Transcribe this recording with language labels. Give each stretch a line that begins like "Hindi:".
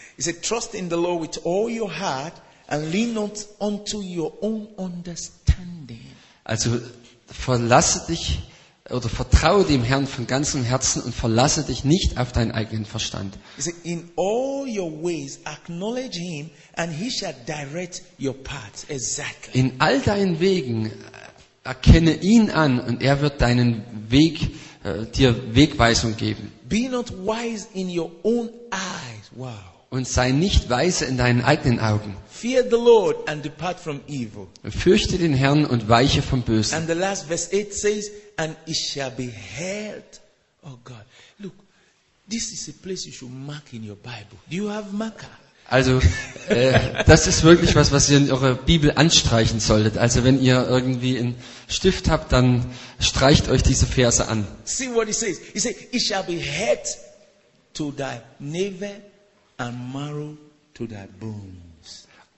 English: He said, trust in the Lord with all your heart and lean not unto your own understanding.
German: Also, verlasse dich oder vertraue dem Herrn von ganzem Herzen und verlasse dich nicht auf deinen eigenen Verstand.
English: He said, in all your ways acknowledge him and he shall direct your paths. Exactly.
German: In all deinen Wegen Erkenne ihn an und er wird deinen Weg, dir Wegweisung geben.
English: Be not wise in your own eyes. Wow.
German: Und sei nicht weise in deinen eigenen Augen.
English: Fear the Lord and depart from evil.
German: Fürchte den Herrn und weiche vom Bösen.
English: And the last verse 8 says, and it shall be held. Oh God. Look, this is a place you should mark in your Bible. Do you have marker?
German: Also, das ist wirklich was, was ihr in eurer Bibel anstreichen solltet. Also, wenn ihr irgendwie einen Stift habt, dann streicht euch diese Verse an.
English: See what he says. He says, it shall be head to thy navel and marrow to thy bones.